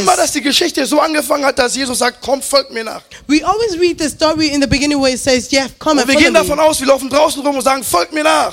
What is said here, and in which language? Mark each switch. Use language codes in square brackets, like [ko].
[de] Immer, dass die Geschichte so angefangen hat, dass Jesus sagt, komm, folgt mir nach. [en] We always read the story in the beginning where it says, yeah, come [de] und wir gehen davon aus, wir laufen draußen rum und sagen, folgt mir nach.